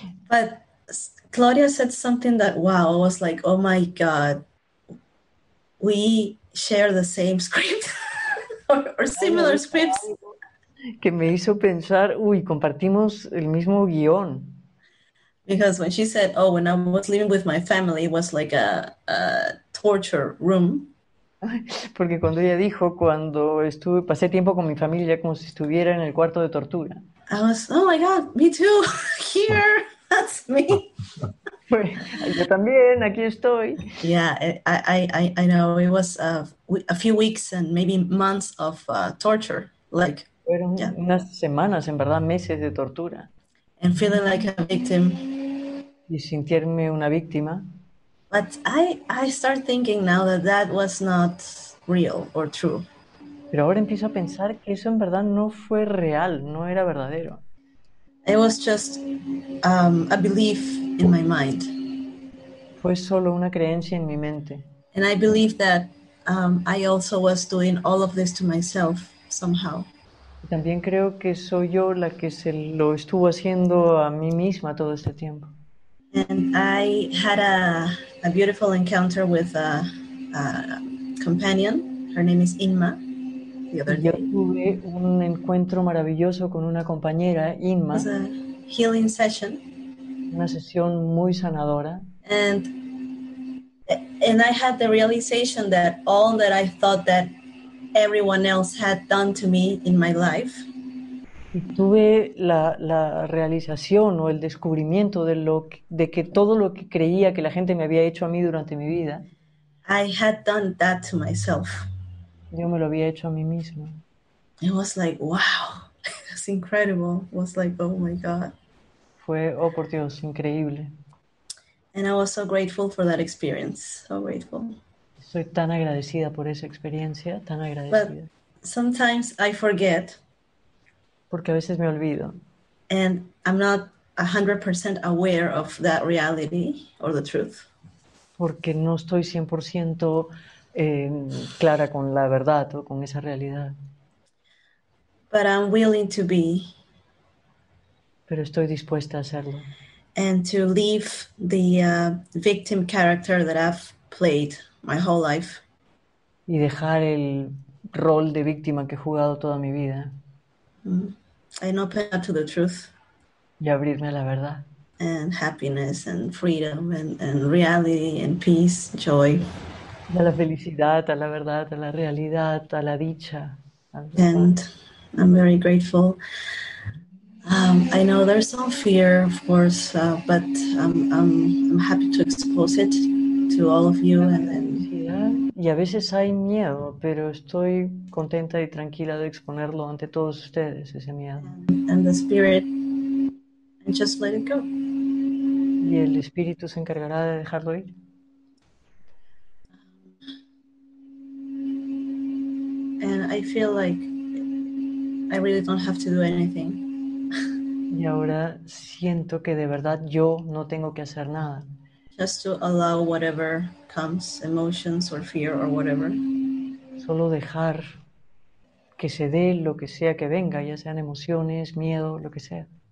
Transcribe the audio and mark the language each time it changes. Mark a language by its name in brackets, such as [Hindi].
[English] But Claudia said something that, wow, I was like, oh my God, we share the same script or similar scripts. [Spanish] Que me hizo pensar, uy, compartimos el mismo guión. [English] Because when she said, oh, when I was living with my family, it was like a torture room. [Spanish] Porque cuando ella dijo, cuando pasé tiempo con mi familia, como si estuviera en el cuarto de tortura. [English] I was, oh my God, me too, here, that's me. [Spanish] Yo también, aquí estoy. [English] Yeah, I know, it was a few weeks and maybe months of torture. Like, [Spanish] fueron [English] yeah. [Spanish] Unas semanas, en verdad, meses de tortura. [English] And feeling like a victim. [Spanish] Y sintiéndome una víctima. [English] But I start thinking now that that was not real or true. [Spanish] Pero ahora empiezo a pensar que eso en verdad no fue real, no era verdadero. [English] It was just a belief in my mind. [Spanish] Fue solo una creencia en mi mente. [English] And I believe that I also was doing all of this to myself somehow. [Spanish] Y también creo que soy yo la que se lo estuvo haciendo a mí misma todo este tiempo. [English] And I had a beautiful encounter with a companion. Her name is Inma. [Spanish] Yo tuve un encuentro maravilloso con una compañera, Inma. [English] It was a healing session. [Spanish] Una sesión muy sanadora. [English] And I had the realization that all that I thought that everyone else had done to me in my life. [Spanish] Y tuve la realización o el descubrimiento de que todo lo que creía que la gente me había hecho a mí durante mi vida. [English] I had done that to myself. [Spanish] Yo me lo había hecho a mí mismo. [English] It was like, wow, it's incredible. It was like, oh my God. [Spanish] Fue, oh por Dios, increíble. [English] And I was so grateful for that experience. So grateful. [Spanish] Soy tan agradecida por esa experiencia, tan agradecida. [English] But sometimes I forget. [Spanish] Porque a veces me olvido. [English] And I'm not 100% aware of that reality or the truth. [Spanish] Porque no estoy 100% clara con la verdad o con esa realidad. [English] But I'm willing to be. [Spanish] Pero estoy dispuesta a hacerlo. [English] And to leave the victim character that I've played my whole life. [Spanish] Y dejar el rol de víctima que he jugado toda mi vida. [English] And open up to the truth. [Spanish] Y abrirme a la verdad. [English] And happiness and freedom and reality and peace, joy. [Spanish] a la felicidad, a la verdad, a la realidad, a la dicha, a la paz. [English] And I'm very grateful. I know there's some fear, of course, but I'm happy to expose it to all of you. [Spanish] Y a veces hay miedo, pero estoy contenta y tranquila de exponerlo ante todos ustedes, ese miedo. [English] And the spirit, and just let it go. [Spanish] Y el espíritu se encargará de dejarlo ir. [English] And I feel like I really don't have to do anything. [Spanish] Y ahora siento que de verdad yo no tengo que hacer nada. [English] Just to allow whatever comes, emotions or fear or whatever. [Spanish] Solo dejar que se dé lo que sea que venga, ya sean emociones, miedo, lo que sea.